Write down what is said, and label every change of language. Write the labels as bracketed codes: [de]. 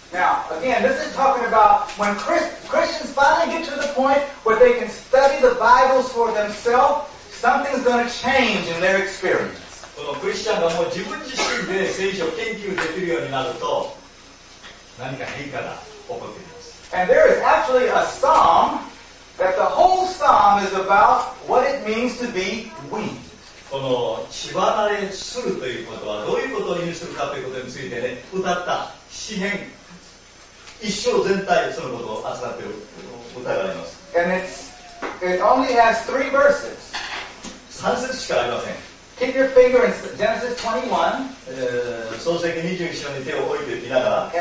[en] Now, again, this is talking about when Christians finally get to the point where they can study the Bibles for themselves, something's going to change in their experience. [ja] このクリスチャンがもう自分自身で聖書を研究できるようになると、何か変化が起こっています。 [en] And there is actually a psalm. That the whole psalm is about what it means to be weaned. [ja] この乳離れするということはどういうことを意味するかということについてね、歌った詩編一章全体そのことを扱っている歌があります。 [en] And it only has three verses. [ja] 三節しかありません。 [en] Keep your finger in Genesis 21. [ja] 創世記21章に手を置いていながら。